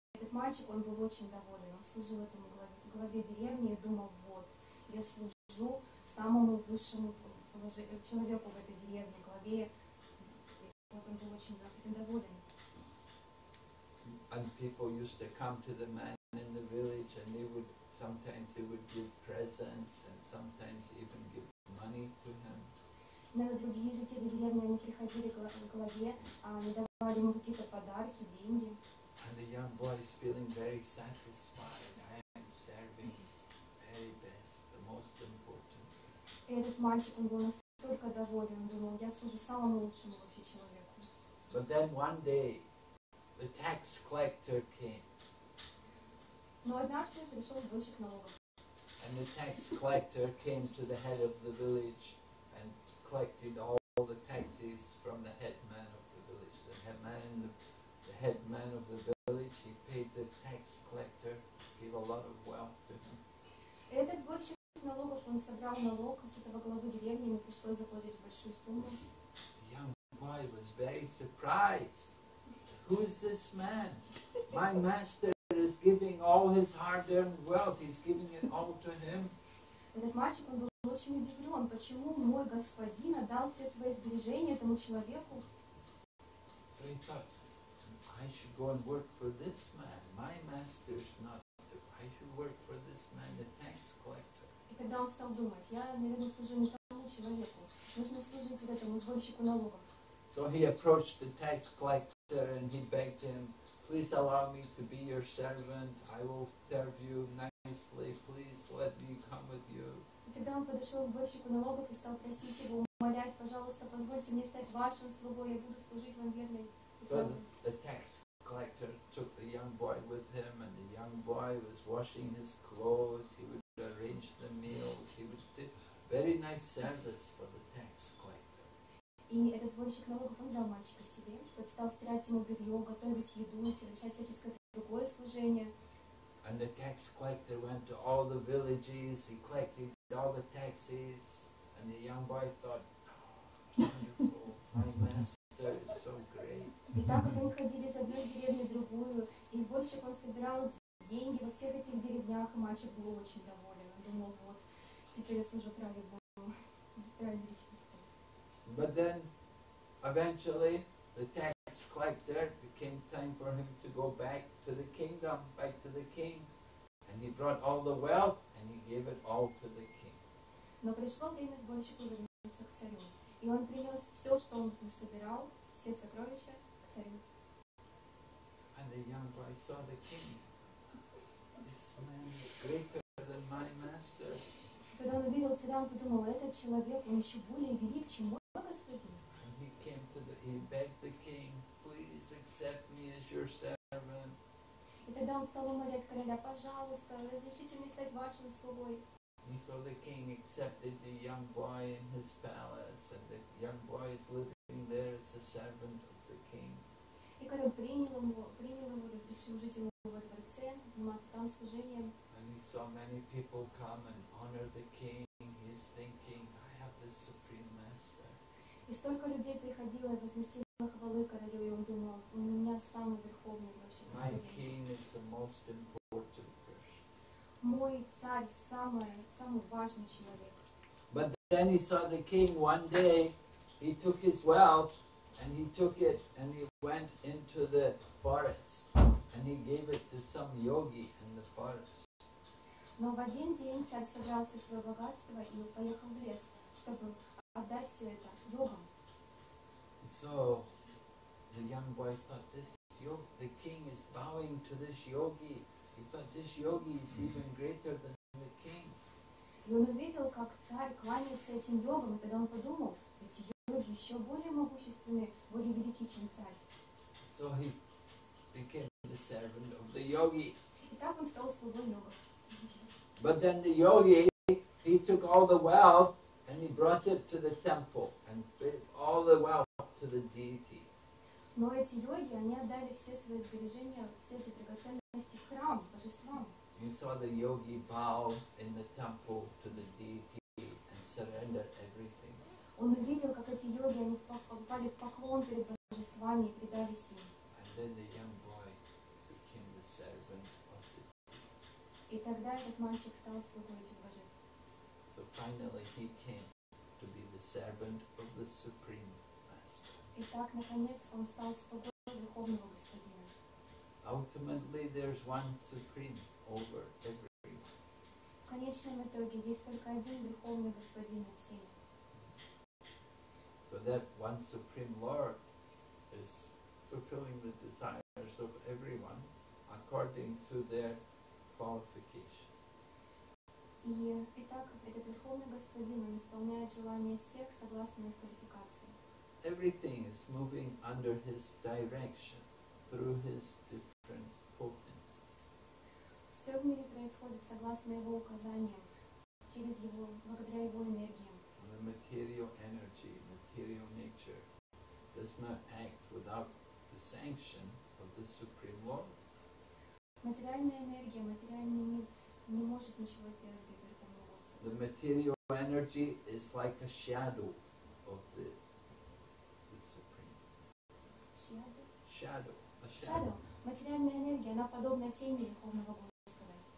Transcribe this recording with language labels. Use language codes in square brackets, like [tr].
[ru] Мальчик, он был очень доволен, он служил этому главе деревни и думал, вот, я служу самому высшему человеку в этой деревне, главе, и вот он был очень этим доволен. [en] And people used to come to the man in the village, and they would give presents, and sometimes even give money to him. [ru] Другие жители деревни, они приходили к главе, они давали ему какие-то подарки, деньги. [en] And the young boy is feeling very satisfied. I am serving very best, the most important. [ru] Этот мальчик он был настолько доволен, он думал, я служу самому лучшему вообще человеку. [en] But then one day, the tax collector came. [ru] Но однажды пришел сборщик налогов. [en] And the tax collector came to the head of the village and collected all the taxes from the headman of the village. The headman of the village, he paid the tax collector, gave a lot of wealth to him. [ru] Этот сборщик налогов, он собрал налог с этого главы деревни, ему пришлось заплатить большую сумму. [en] Young boy was very surprised. Who is this man? My master is giving all his hard-earned wealth. He's giving it all to him. [ru] Этот мальчик он был очень удивлен, почему мой господин отдал все свои сбережения этому человеку? [en] So he thought, I should go and work for this man. My master is not. I should work for this man, the tax collector. [ru] И когда он стал думать, я, наверное, служу не тому человеку. Нужно служить этому сборщику налогов. [en] So he approached the tax collector and he begged him, please allow me to be your servant. I will serve you nicely. Please let me come with you. [ru] И когда он подошел к сборщику налогов и стал просить его, умолять, пожалуйста, позвольте мне стать вашим слугой, я буду служить вам верно. [en] So the tax collector took the young boy with him, and the young boy was washing his clothes, he would arrange the meals, he would do very nice service for the tax collector. [ru] И этот сборщик налогов взял мальчика себе, тот стал стирать ему белье, готовить еду, совершать всяческое другое служение. [en] And the tax collector went to all the villages, he collected all the taxes, and the young boy thought, oh, wonderful, my master is so great. [ru] И так как они ходили из одной деревни в другую, и сборщик он собирал деньги во всех этих деревнях, и мальчик был очень доволен. Он думал, вот, теперь я служу праве Богу, праве личности. [en] But then, eventually, the tax collector, it came time for him to go back to the kingdom, back to the king. And he brought all the wealth, and he gave it all to the king. [ru] Но пришло время сборщику вернуться к царю. И он принес все, что он насобирал, все сокровища к царю. [en] And the young boy saw the king. This man is greater than my master. [ru] Когда он увидел царя, он подумал, этот человек, он еще более велик, чем мой господин. [en] And he came to the, he begged the king, please accept me as your servant. [ru] И тогда он стал умолять короля, пожалуйста, разрешите мне стать вашим слугой. [en] And so the king accepted the young boy in his palace, and the young boy is living there as a servant of the king. [ru] И когда принял его, разрешил жить ему во дворце, заниматься там служением. [en] And he saw many people come and honor the king. He's thinking, I have the supreme master. [ru] И столько людей приходило и возносило хвалы королю, и он думал, у меня самый верховный вообще. [en] My king is the most important. [ru] Мой царь самый важный человек. [en] But then he saw the king one day, he took his wealth, and he took it, and he went into the forest, and he gave it to some yogi in the forest. [ru] Но в один день царь собрал все свое богатство и поехал в лес, чтобы отдать все это йогам. [en] So the young boy thought, this yogi, the king is bowing to this yogi. He thought this yogi is even greater than the king. [ru] И он увидел, как царь кланяется этим йогам, и тогда он подумал, эти йоги еще более могущественные, более велики, чем царь. [en] So he became the servant of the yogi. [ru] И так он стал слугой йога. [en] But then the yogi, he took all the wealth and he brought it to the temple and gave all the wealth to the deity. [ru] Но эти йоги, они отдали все свои сбережения, все эти драгоценные. [en] He saw the yogi bow in the temple to the deity and surrender everything. [ru] Он увидел, как эти йоги они впали в поклон перед божествами и предались им. [en] And then the young boy became the servant of the deity. [ru] И тогда этот мальчик стал слугой этих божеств. [en] So finally he came to be the servant of the supreme master. [ru] И так наконец он стал слугой верховного господина. [en] Ultimately, there's one supreme over everyone. [ru] В конечном итоге есть только один верховный господин над всеми. [en] So that one supreme Lord is fulfilling the desires of everyone according to their qualification. [ru] Итак, этот верховный господин он исполняет желания всех согласно их квалификации. [en] Everything is moving under his direction through his different potencies. [ru] Все в мире происходит согласно его указаниям, через его, благодаря его энергиям. [en] The material energy, material nature, does not act without the sanction of the Supreme Lord. [ru] Материальная энергия, материальный мир не может ничего сделать без Верховного Господа. [en] The material energy is like a shadow of the Supreme. Shadow. Shadow. [ru] Материальная энергия, она подобна тени Верховного Господа.